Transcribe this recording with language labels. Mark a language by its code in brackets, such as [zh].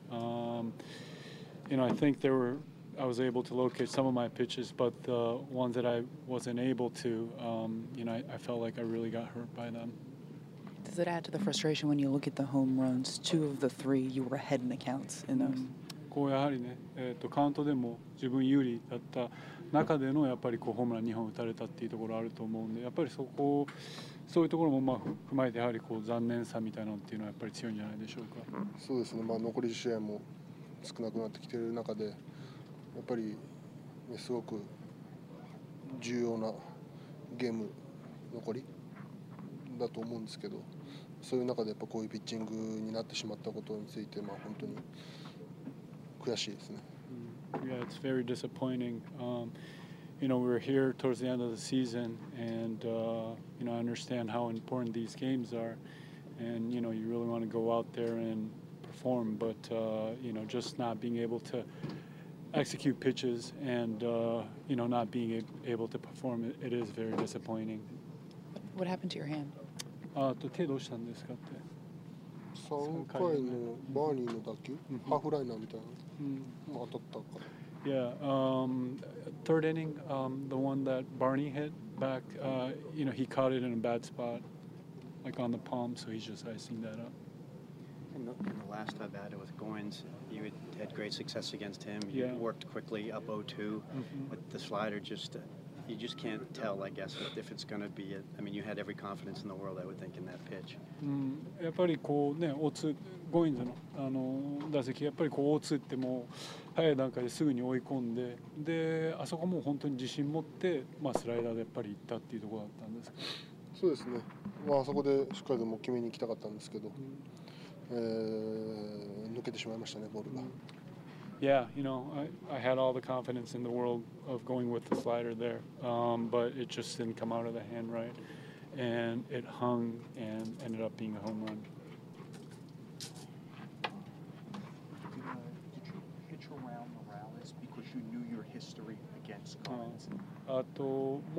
[en] I was able to locate some of my pitches, but the ones that I wasn't able to, I felt like I really got hurt by them. Does it add to the frustration when you look at the home runs? Two of the three, you were ahead in the counts in those. [ja] こうやはりね、カウントでも自分有利だった中でのやっぱりこうホームラン2本打たれたっていうところあると思うんで、やっぱりそこをそういうところもまあ踏まえてやはりこう残念さみたいなのっていうのはやっぱり強いんじゃないでしょうか。そうですね。まあ残り試合も少なくなってきている中で、やっぱり、ね、すごく重要なゲーム残りだと思うんですけど、そういう中でやっぱこういうピッチングになってしまったことについて、まあ、本当に。 [en] Yeah, it's very disappointing. We're here towards the end of the season, and I understand how important these games are, and you really want to go out there and perform, but just not being able to execute pitches and not being able to perform, it is very disappointing. What happened to your hand? [ja] どうしたんですかって。 [en] Third inning, the one that Barney hit back, he caught it in a bad spot, like on the palm, so he's just icing that up. And in the last time at it with Goins, you had great success against him. You worked quickly up 0-2 with the slider. You just can't tell, I guess, if it's going to be it. I mean, you had every confidence in the world, I would think, in that pitch. [ja] やっぱりこうね、ゴインズの打席やっぱりこう落ちてても早い段階ですぐに追い込んで、で、あそこも本当に自信持って、まあスライダーでやっぱり行ったっていうところだったんですけど。そうですね。まあ、あそこでしっかりでも決めに行きたかったんですけど、抜けてしまいましたね、ボールが。 [en] Yeah, you know, I had all the confidence in the world of going with the slider there, but it just didn't come out of the hand right, and it hung and ended up being a home run. Did you pitch around the Morales because you knew your history against Collins?